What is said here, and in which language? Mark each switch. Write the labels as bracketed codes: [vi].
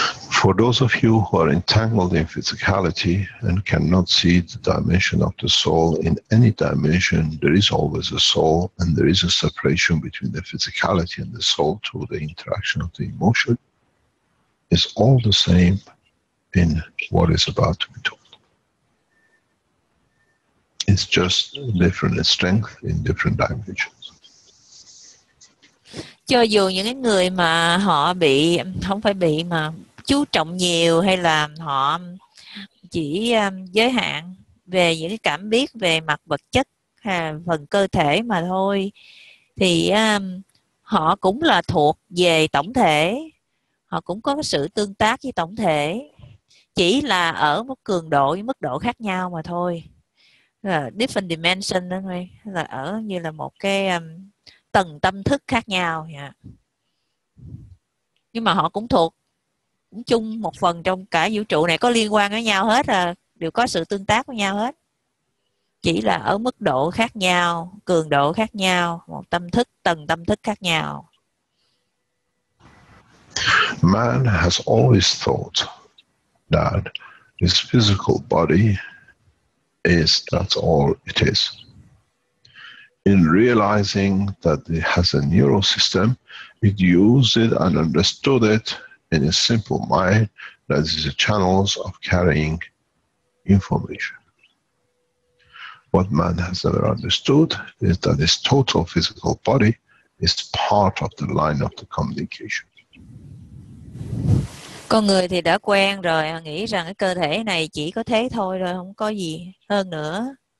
[en] For those of you who are entangled in physicality and cannot see the dimension of the soul, in any dimension there is always a soul, and there is a separation between the physicality and the soul through the interaction of the emotion, it's all the same in what is about to be told. It's just different in strength in different dimensions. [vi] Cho dù những người mà họ bị, không phải bị mà chú trọng nhiều, hay là họ chỉ giới hạn về những cái cảm biết về mặt vật chất hay phần cơ thể mà thôi, thì họ cũng là thuộc về tổng thể, họ cũng có sự tương tác với tổng thể, chỉ là ở một cường độ, mức độ khác nhau mà thôi. [en] Different dimension [vi] đó thôi, là ở như là một cái tầng tâm thức khác nhau. Nhưng mà họ cũng thuộc chung một phần trong cả vũ trụ này, có liên quan với nhau hết, là đều có sự tương tác với nhau hết, chỉ là ở mức độ khác nhau, cường độ khác nhau, một tâm thức, tầng tâm thức khác nhau. [en] Man has always thought that his physical body is, that's all it is. In realizing that it has a neural system, it used it and understood it in a simple mind, that is the channels of carrying information. What man has never understood is that his total physical body is part of the line of the communication. [vi] Con người thì đã quen rồi, nghĩ rằng cái cơ thể này chỉ có thế thôi rồi, không có gì hơn nữa.